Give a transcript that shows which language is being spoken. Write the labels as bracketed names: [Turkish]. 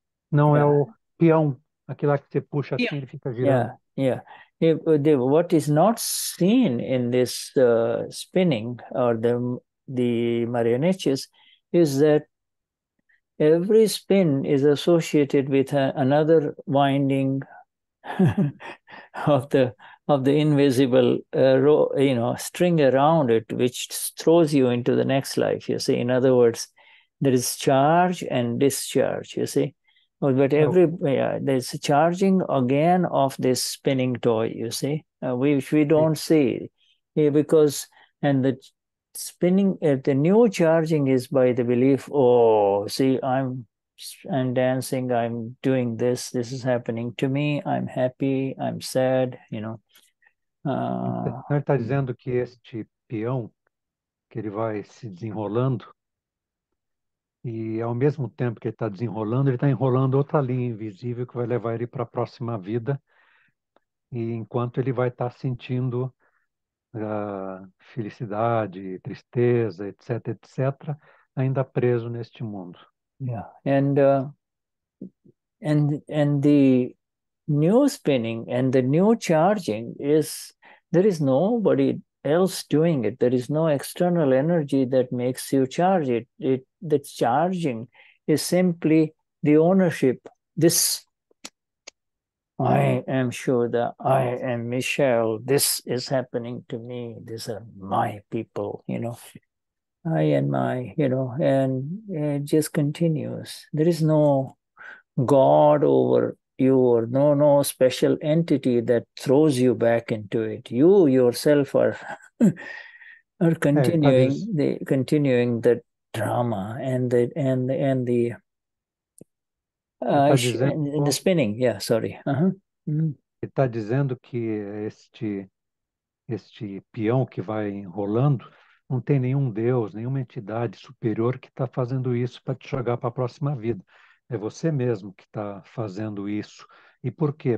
[Portuguese] Não, é o peão, aquilo que você puxa assim, ele fica girando. [English] Yeah, yeah. What is not seen in this spinning or the marionettes is that every spin is associated with another winding of the invisible string around it, which throws you into the next life, you see. In other words, there is charge and discharge, you see. But every, yeah, there's charging again of this spinning toy, you see, which we don't see. Yeah, because, and the spinning, the new charging is by the belief, oh, see, I'm dancing, I'm doing this, this is happening to me, I'm happy, I'm sad, you know. [Portuguese] Ele está dizendo que este peão, que ele vai se desenrolando, e ao mesmo tempo que ele está desenrolando, ele está enrolando outra linha invisível que vai levar ele para a próxima vida, e enquanto ele vai estar sentindo felicidade, tristeza, etc., etc., ainda preso neste mundo. [English] Yeah. And the new spinning and the new charging is, there is nobody else doing it. There is no external energy that makes you charge it. The charging is simply the ownership. This, I am Shuddha, I am Michelle, this is happening to me, these are my people, you know. I and my, you know, and it just continues. There is no God over you or no special entity that throws you back into it. You yourself are continuing the drama and the spinning. Yeah, sorry. [Portuguese] Ele está dizendo que este peão que vai enrolando não tem nenhum Deus, nenhuma entidade superior que está fazendo isso para te jogar para a próxima vida. É você mesmo que está fazendo isso. E por quê?